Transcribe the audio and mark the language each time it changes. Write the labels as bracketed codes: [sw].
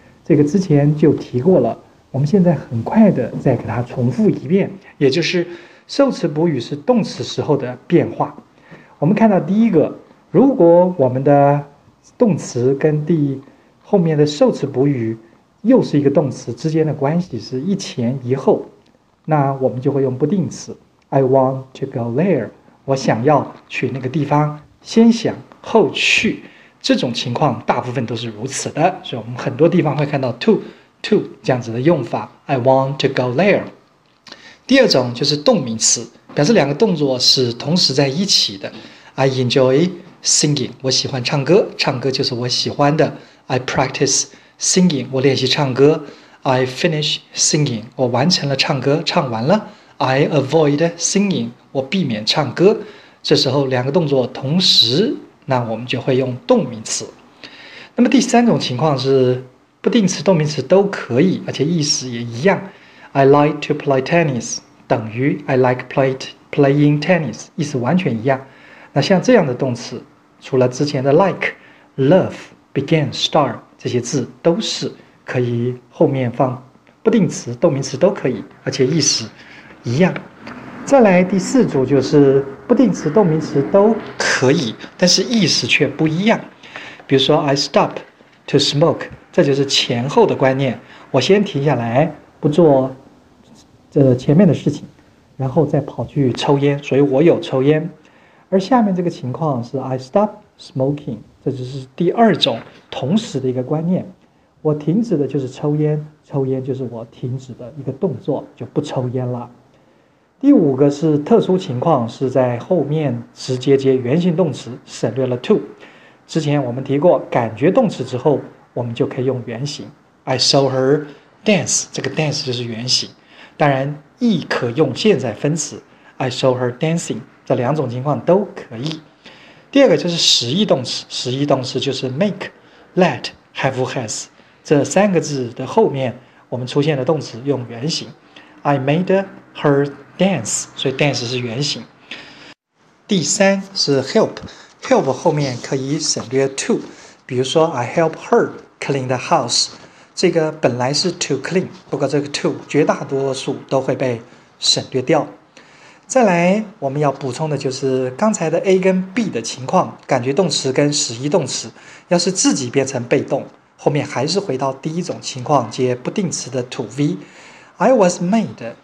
[zh] 这个之前就提过了，我们现在很快的再给它重复一遍，也就是受词补语是动词时候的变化。我们看到第一个，如果我们的动词跟后面的受词补语又是一个动词之间的关系是一前一后，那我们就会用不定词。 [en] I want to go there， [zh] 我想要去那个地方。先想后去，这种情况大部分都是如此的，所以我们很多地方会看到 to 这样子的用法。 [en] I want to go there。 [zh] 第二种就是动名词，表示两个动作是同时在一起的。 [en] I enjoy singing， [zh] 我喜欢唱歌，唱歌就是我喜欢的。 [en] I practice singing， [zh] 我练习唱歌。 [en] I finish singing， [zh] 我完成了唱歌，唱完了。 [en] I avoid singing， [zh] 我避免唱歌。这时候两个动作同时，那我们就会用动名词。那么第三种情况是不定词、动名词都可以，而且意思也一样。 [en] I like to play tennis [zh] 等于 [en] I like playing tennis， [zh] 意思完全一样。那像这样的动词，除了之前的 like、love、begin、start 这些字都是可以后面放不定词、动名词都可以，而且意思一样。再来第四组就是不定词、动名词都可以，但是意思却不一样。比如说， [en] I stop to smoke， [zh] 这就是前后的观念。我先停下来，不做这前面的事情，然后再跑去抽烟，所以我有抽烟。而下面这个情况是 [en] I stop smoking， [zh] 这就是第二种同时的一个观念。我停止的就是抽烟，抽烟就是我停止的一个动作，就不抽烟了。第五个是特殊情况，是在后面直接接原形动词，省略了 to。之前我们提过，感觉动词之后，我们就可以用原形。 [en] I saw her dance， [zh] 这个 dance 就是原形。当然，亦可用现在分词。 [en] I saw her dancing， [zh] 这两种情况都可以。第二个就是实义动词，实义动词就是 make、let、have、has 这3个字的后面，我们出现的动词用原形。 [en] I made her dance， [zh] 所以 dance 是原形。第三是 help 后面可以省略 to，比如说 [en] I help her clean the house， [zh] 这个本来是 to clean，不过这个 to 绝大多数都会被省略掉。再来，我们要补充的就是刚才的 A 跟 B 的情况，感觉动词跟实义动词，要是自己变成被动，后面还是回到第一种情况，接不定词的 to V， [en] I was made。